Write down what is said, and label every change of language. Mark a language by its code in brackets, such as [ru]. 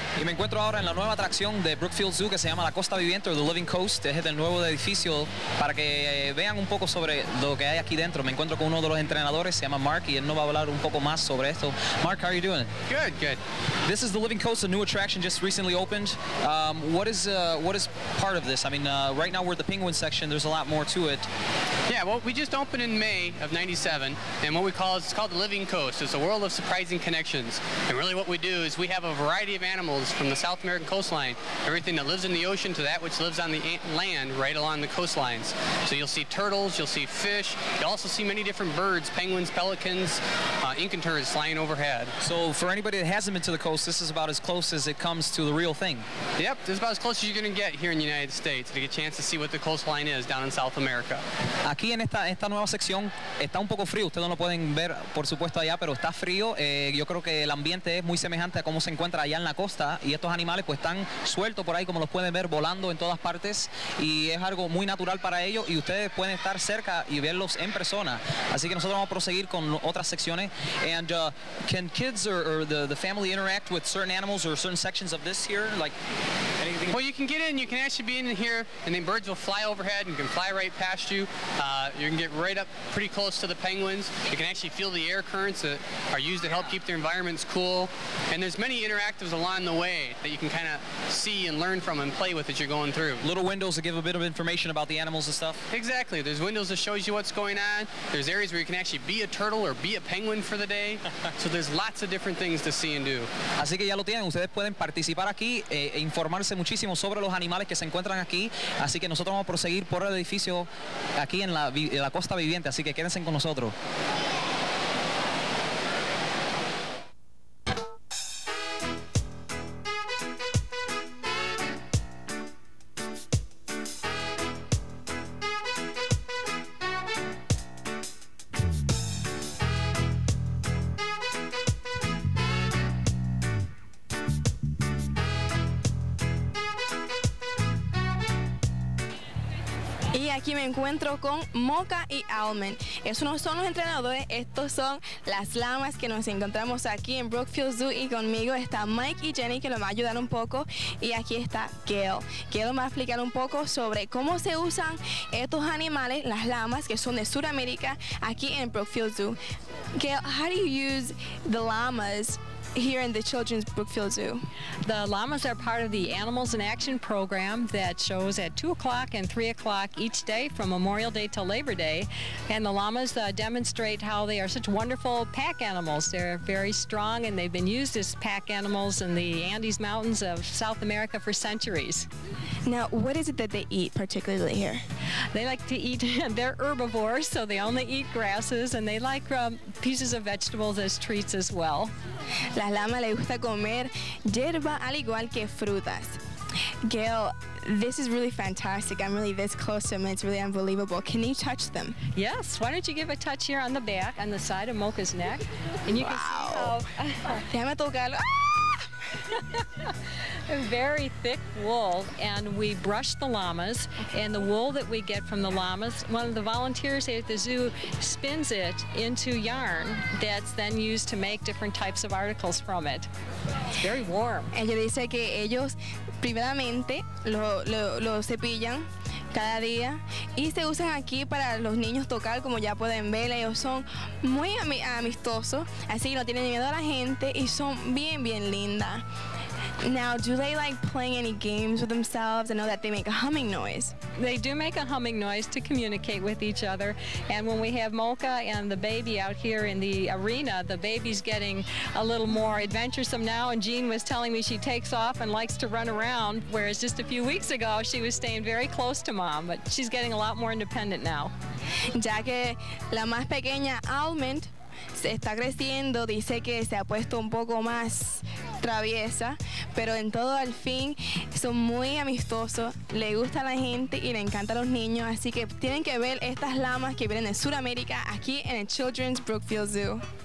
[es] Encuentro ahora en la nueva atracción de Brookfield Zoo que se llama La Costa Viviente, o The Living Coast. Es el nuevo edificio. Para que vean un poco sobre lo que hay aquí dentro, me encuentro con uno de los entrenadores, se llama Mark, y él nos va a hablar un poco más sobre esto. [en] Mark, how are you doing? Good, good. This is The Living Coast, a new attraction just recently opened. What is part of this? I mean, right now we're at the penguin section. There's a lot more to it. Yeah, well, we just opened in May of 97, and what we call it, it's called The Living Coast. It's a world of surprising connections. And really what we do is we have a variety of animals from the South American coastline, everything that lives in the ocean to that which lives on the land right along the coastlines. So you'll see turtles, you'll see fish, you'll also see many different birds, penguins, pelicans, Incan turtles flying overhead. So for anybody that hasn't been to the coast, this is about as close as it comes to the real thing. Yep, this is about as close as you're going to get here in the United States to get a chance to see what the coastline is down in South America. [es] Aquí en esta nueva sección está un poco frío, ustedes no lo pueden ver por supuesto allá, pero está frío. Yo creo que el ambiente es muy semejante a cómo se encuentra allá en la costa, y estos animales pues están sueltos por ahí, como los pueden ver, volando en todas partes, y es algo muy natural para ellos, y ustedes pueden estar cerca y verlos en persona. Así que nosotros vamos a proseguir con otras secciones. [en] And can kids or the family interact with certain animals or certain sections of this here, like anything? Well, you can get in, you can actually be in here, and then birds will fly overhead and can fly right past you. You can get right up pretty close to the penguins. You can actually feel the air currents that are used to help keep their environments cool. And there's many interactives along the way that you can kind of see and learn from and play with as you're going through. Little windows to give a bit of information about the animals and stuff? Exactly. There's windows that shows you what's going on. There's areas where you can actually be a turtle or be a penguin for the day. So there's lots of different things to see and do. [es] Así que ya lo tienen. Ustedes pueden participar aquí e informarse muchísimo sobre los animales que se encuentran aquí. Así que nosotros vamos a proseguir por el edificio aquí en la Costa Viviente, así que quédense con nosotros. Y aquí me encuentro con Mocha y Almond. Esos no son los entrenadores, estos son las llamas que nos encontramos aquí en Brookfield Zoo. Y conmigo está Mike y Jenny, que nos va a ayudar un poco. Y aquí está Gail. Gail va a explicar un poco sobre cómo se usan estos animales, las llamas, que son de Sudamérica, aquí en Brookfield Zoo. [en] Gail, how do you use the llamas here in the Children's Brookfield Zoo? The llamas are part of the Animals in Action program that shows at 2 o'clock and 3 o'clock each day from Memorial Day to Labor Day. And the llamas demonstrate how they are such wonderful pack animals. They're very strong and they've been used as pack animals in the Andes Mountains of South America for centuries. Now, what is it that they eat particularly here? They like to eat, they're herbivores, so they only eat grasses, and they like pieces of vegetables as treats as well. [es] Las llamas les gusta comer hierba al igual que frutas. [en] Gail, this is really fantastic. I'm really this close to them. It's really unbelievable. Can you touch them? Yes. Why don't you give a touch here on the back, on the side of Mocha's neck? And you wow. can see how... [es] Déjame tocarlo. [en] Ah! Very thick wool, and we brush the llamas, and the wool that we get from the llamas, one of the volunteers at the zoo spins it into yarn that's then used to make different types of articles from it. It's very warm. [es] Ella dice que ellos primeramente lo cepillan cada día y se usan aquí para los niños tocar, como ya pueden ver. Ellos son muy amistosos, así no tienen miedo a la gente y son bien, bien lindas. [en] Now, do they like playing any games with themselves? I know that they make a humming noise. They do make a humming noise to communicate with each other. And when we have Mocha and the baby out here in the arena, the baby's getting a little more adventuresome now. And Jean was telling me she takes off and likes to run around, whereas just a few weeks ago, she was staying very close to mom. But she's getting a lot more independent now. [es] Ya que la más pequeña, Almond, se está creciendo, dice que se ha puesto un poco más traviesa, pero en todo al fin son muy amistosos, le gusta a la gente y le encanta a los niños, así que tienen que ver estas llamas que vienen de Sudamérica aquí en el Children's Brookfield Zoo.